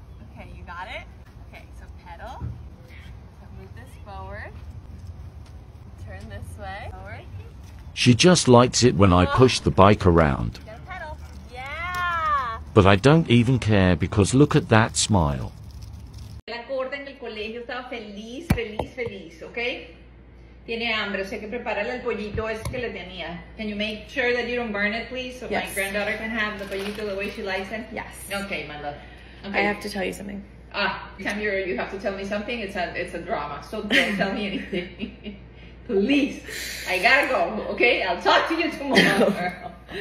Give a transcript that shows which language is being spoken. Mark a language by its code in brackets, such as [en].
[en] Okay, you got it? She just likes it when I push the bike around. But I don't even care because look at that smile. [es] La gorda en el colegio estaba feliz, feliz, feliz, okay? Tiene hambre, o sea que prepárale el pollito ese que le tenía. [en] Can you make sure that you don't burn it, please, so my granddaughter can have the pollito the way she likes it? Yes. Okay, my love. Okay. I have to tell you something. Ah, Tammy, you have to tell me something. It's a drama, so don't tell me anything. Please, I gotta go, okay? I'll talk to you tomorrow.